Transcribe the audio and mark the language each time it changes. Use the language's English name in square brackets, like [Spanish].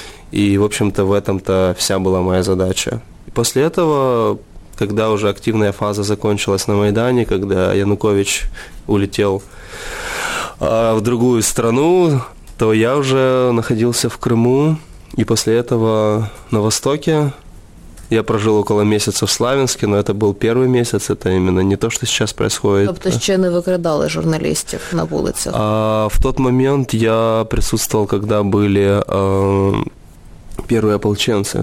[Russian] И, в общем-то, в этом-то вся была моя задача. После этого, когда уже активная фаза закончилась на Майдане, когда Янукович улетел в другую страну, то я уже находился в Крыму, и после этого на Востоке. Я прожил около месяца в Славянске, но это был первый месяц, это именно не то, что сейчас происходит. [Ukrainian] Тобто ще не викрадали журналістів на вулицях? [Russian] В тот момент я присутствовал, когда были первые ополченцы.